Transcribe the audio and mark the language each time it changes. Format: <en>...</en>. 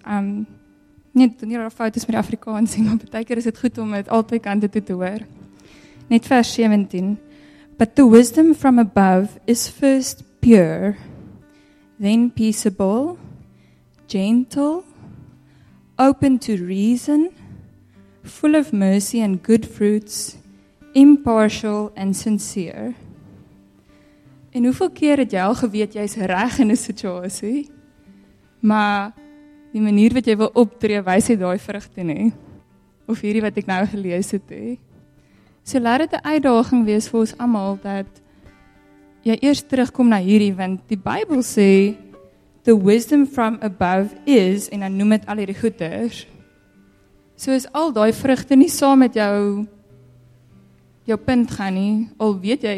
<af>Net doen hier al fout is met die Afrikaans, maar partykeer is dit goed om dit albei kante toe te hoor. Net vers 17.</af> <en>But the wisdom from above is first pure, then peaceable, gentle, open to reason, full of mercy and good fruits, impartial and sincere.</en> <af>En hoeveel keer het jy al geweet jy is reg in 'n situasie, maar die manier wat jy wil optree, wys jy daai vrugte nie. Of hierdie wat ek nou gelees het, he. So laat dit 'n uitdaging wees vir ons almal dat jy eers terugkom na hierdie, want die Bybel sê the wisdom from above is, en dan noem het al hierdie goeders, so is al die vrugte nie saam met jou punt gaan nie, al weet jy</af>